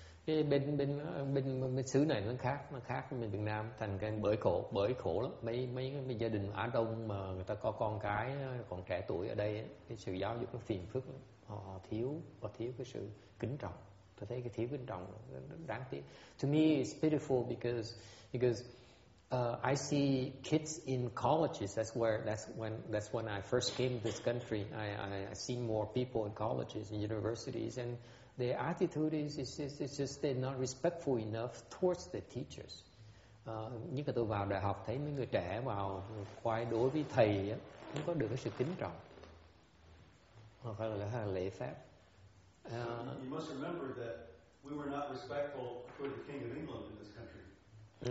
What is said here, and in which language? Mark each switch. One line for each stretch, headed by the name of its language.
Vietnamese: bên xứ này nó khác mình Việt Nam, thành cái bởi khổ lắm. Mấy gia đình Á Đông mà người ta có con cái còn trẻ tuổi ở đây, cái sự giáo dục nó phiền phức lắm. họ thiếu cái sự kính trọng. Tôi thấy cái thiếu kính trọng đáng tiếc.
English: To me it's pitiful because I see kids in colleges. That's when I first came to this country. I see more people in colleges and universities, and their attitude is just they're not respectful enough towards the teachers.
Vietnamese: Nhưng mà tôi vào đại học thấy mấy người trẻ vào quay đối với thầy á, không có được cái sự kính trọng hoặc là cái lễ phép.
English: You must remember that we were not respectful for the King of England in this country.